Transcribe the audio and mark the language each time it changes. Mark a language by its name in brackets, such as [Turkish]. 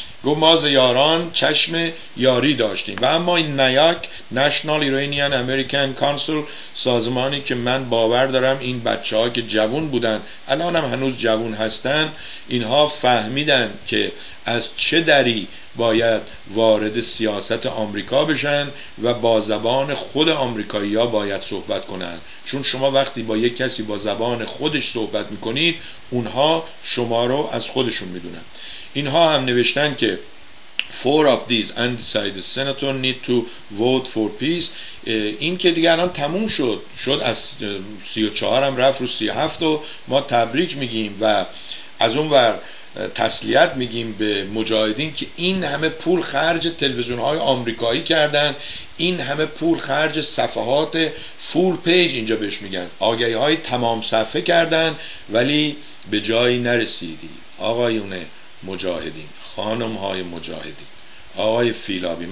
[Persian] گفت ما ز یاران چشم یاری داشتیم. و اما این نیاک نشنال ایرانیان امریکن کانسل، سازمانی که من باور دارم این بچه‌ها که جوان بودن الان هم هنوز جوان هستن، اینها فهمیدن که از چه دری باید وارد سیاست آمریکا بشن و با زبان خود آمریکایی‌ها باید صحبت کنن. چون شما وقتی با یک کسی با زبان خودش صحبت میکنید، اونها شما رو از خودشون میدونن. اینها هم نوشتن که [English] four of these undecided senators need to vote for peace. [Persian] این که دیگه الان تموم شد، شد از 34 هم رفت رو 37 و ما تبریک میگیم و از اون ور تسلیت میگیم به مجاهدین که این همه پول خرج تلویزیون های آمریکایی کردن، این همه پول خرج صفحات فول پیج، اینجا بهش میگن آگهی های تمام صفحه کردن، ولی به جایی نرسیدی آقایون مجاهدین، خانم های مجاهدین، آقای فیلابی.